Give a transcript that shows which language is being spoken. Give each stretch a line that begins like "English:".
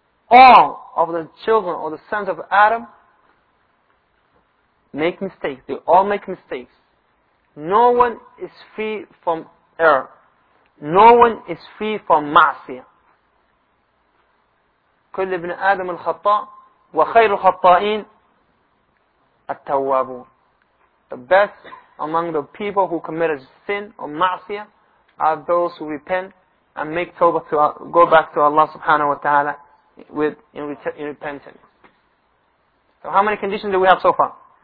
English: All of the children or the sons of Adam make mistakes. They all make mistakes. No one is free from error. No one is free from ma'asiyah.
Arabic: "Kull ibn Adam khata." وخير الخطائين التوابون.
English: The best among the people who committed sin or ma'asiyah are those who repent and make tawbah to go back to Allah subhanahu wa ta'ala in repentance. So how many conditions do we have so far?